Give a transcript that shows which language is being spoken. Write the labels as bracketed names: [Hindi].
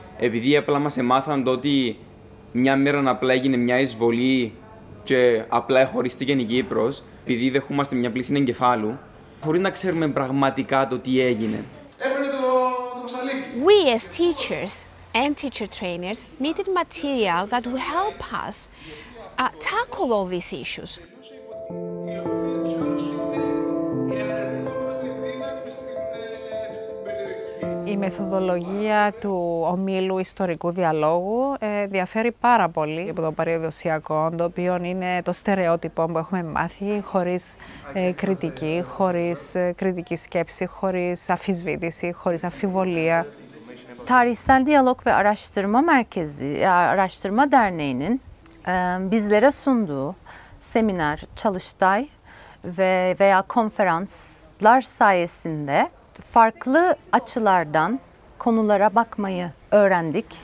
[Greek] Επειδή απλά μας εμάθαν ότι μια μέρα απλά έγινε μια εισβολή και απλά χωρίστηκε η Κύπρος, επειδή δεχόμαστε μια πλήση εγκεφάλου, χωρίς να ξέρουμε πραγματικά το τι έγινε. Έπαιρνε το μασαλίκι. [English] We as teachers and teacher trainers needed material that would help us tackle all these issues. [Greek] Η μεθοδολογία του ομίλου ιστορικού διαλόγου διαφέρει πάρα πολύ από το παραδοσιακό, το οποίο είναι το στερεότυπο που έχουμε μάθει, χωρίς κριτική, χωρίς κριτική σκέψη, χωρίς αφισβήτηση, χωρίς αφιβολία. [Turkish] Tarihsel Diyalog ve Araştırma Merkezi, Araştırma Derneği'nin bizlere sunduğu seminer, çalıştay ve veya konferanslar sayesinde farklı açılardan konulara bakmayı öğrendik.